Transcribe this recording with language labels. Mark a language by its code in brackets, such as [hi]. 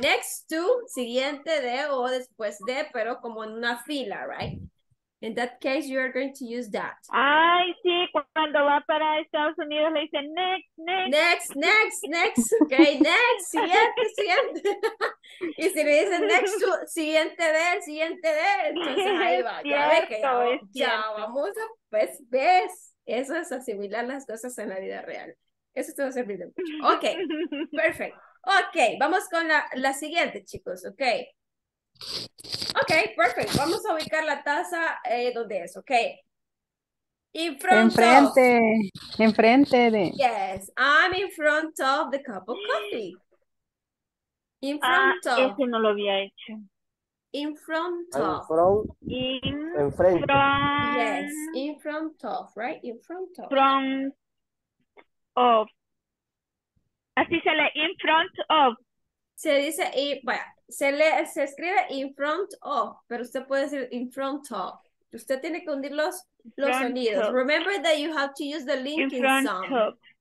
[es] Next to, siguiente de o después de, pero como en una fila, right? [en] In that case, you are going to use that. [es] Ay, sí, cuando va para Estados Unidos le dicen next. Ok, next, siguiente. Y si le dicen next to, siguiente de. Entonces ahí va, ya vamos a ver. Eso es asimilar las cosas en la vida real. Eso te va a servir de mucho. Ok, perfecto. Ok, vamos con la siguiente, chicos, ok. Ok, perfecto. Vamos a ubicar la taza donde es, ok. Enfrente de. [en] Yes, I'm in front of the cup of coffee. [es] Ese no lo había hecho. [en] In front of. [es] Enfrente. [en] Yes, in front of, right? In front of. [es] Así se lee, in front of. Se dice, se escribe in front of, pero usted puede decir in front of. Usted tiene que hundir los sonidos. Of. [en] Remember that you have to use the linking sound.